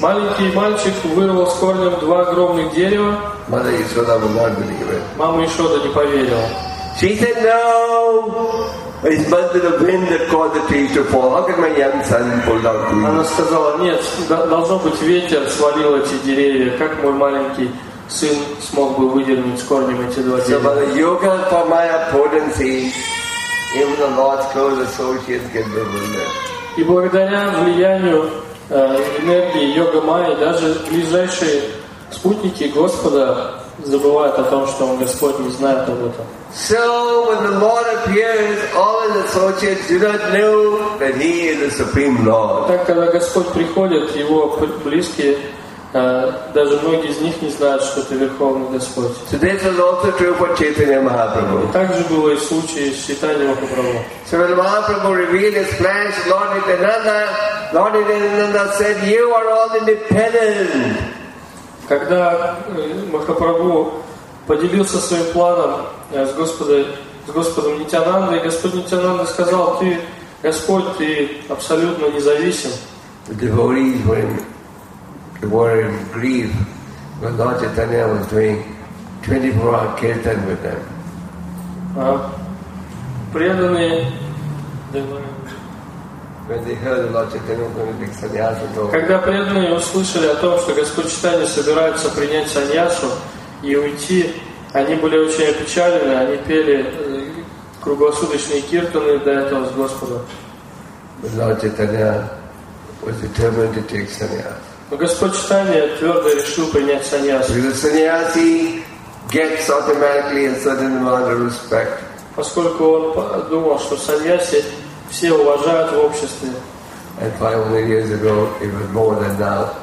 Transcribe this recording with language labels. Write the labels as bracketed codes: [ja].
[ru] Маленький мальчик вырвал с корнем два огромных дерева. [en] Mother Yashoda would not believe it. [ru] Мама Ишода не поверила. [en] She said, no, it must be the wind that caused the trees to fall. How can my young son pull down two? [ru] Она сказала, нет, должно быть ветер свалил эти деревья. Как мой маленький сын смог бы выдернуть с корнем эти два дерева? [en] So, Mother Yoga for my potency. Even the Lord's close associates get bewildered. [ru] И благодаря влиянию энергии йога майи даже ближайшие спутники Господа забывают о том, что он Господь, не знает об этом. [en] So when the Lord appears, all his associates do not know that he is the supreme Lord. [ru] Так когда Господь приходит, его близкие даже многие из них не знают, что ты Верховный Господь. [en] So this is also true for Chaitanya Mahaprabhu. [ru] И также было и в случае с Чайтанья Махапрабху. [en] So when Mahaprabhu revealed his plans to Lord Nityananda, Lord Nityananda said, "You are all independent." [ru] Когда Махапрабху поделился своим планом с Господом Нитянандой, Господь Нитянанда сказал, ты, Господь, ты абсолютно независим. [en] The devotees were in grief when Lord Chaitanya was doing 24-hour kirtan with them. When they heard Lord Chaitanya was going to take sannyasa, [ru] когда преданные услышали о том, что Господь Чайтанья собирается принять саньясу и уйти, они были очень опечалены, они пели круглосуточные киртаны до этого с Господом. [en] But Lord Chaitanya was determined to take sannyasa. [ru] Но Господь Чайтанья твердо решил принять саньясу. [en] Because the sannyasi gets automatically a certain amount of respect. [ru] Поскольку он думал, что саньяси все уважают в обществе. [en] And 500 years ago, it was more than now.